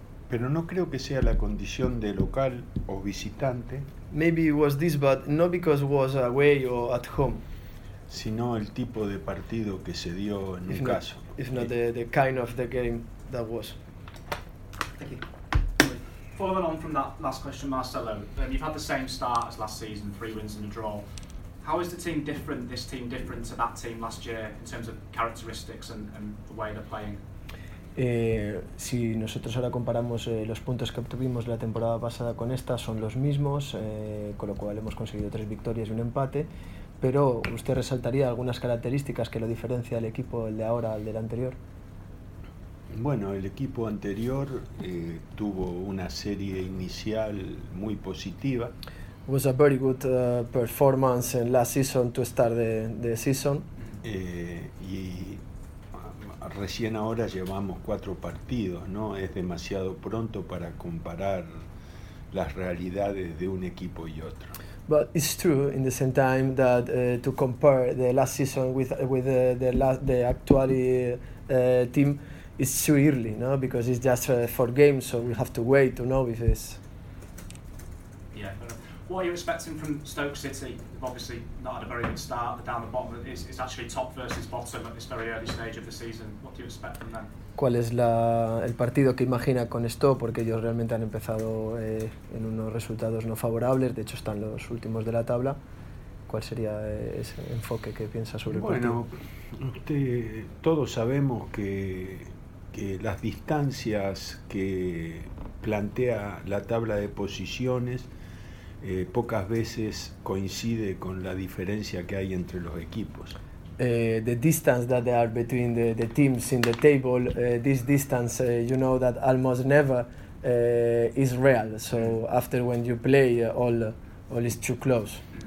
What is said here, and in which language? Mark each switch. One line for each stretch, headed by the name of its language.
Spanish: pero no creo que sea la condición de local o visitante.
English: Maybe it was this, but not because it was away or at home.
Spanish: Sino el tipo de partido que se dio en un caso.
English: If not the kind of the game that was. Thank you. Following on from that last question, Marcelo, you've had the same start as last season, 3 wins and a draw. How is the team different, this team different to that team last year in terms of characteristics and the way they're playing?
Spanish: Si nosotros ahora comparamos los puntos que obtuvimos la temporada pasada con esta, son los mismos, con lo cual hemos conseguido 3 victorias y un empate, pero ¿usted resaltaría algunas características que lo diferencia del equipo, el de ahora al del anterior? Bueno, el equipo anterior tuvo una serie inicial muy positiva.
English: It was a very good performance in last season to start the season.
Spanish: Y recién ahora llevamos 4 partidos, ¿no? Es demasiado pronto para comparar las realidades de un equipo y otro.
English: But it's true in the same time that to compare the last season with the actual team is too early, no? Because it's just 4 games, so we have to wait to know if it's. Yeah. What are you expecting from Stoke City? They've obviously not had a very good start. They're down the bottom. It's actually top versus bottom at this very early stage of the season. What do you expect from them?
Spanish: ¿Cuál es el partido que imagina con esto? Porque ellos realmente han empezado en unos resultados no favorables, de hecho están los últimos de la tabla. ¿Cuál sería ese enfoque que piensa sobre el partido? Bueno, todos sabemos que las distancias que plantea la tabla de posiciones pocas veces coincide con la diferencia que hay entre los equipos.
English: The distance that there are between the teams in the table, this distance, you know that almost never is real. So after when you play, all is too close.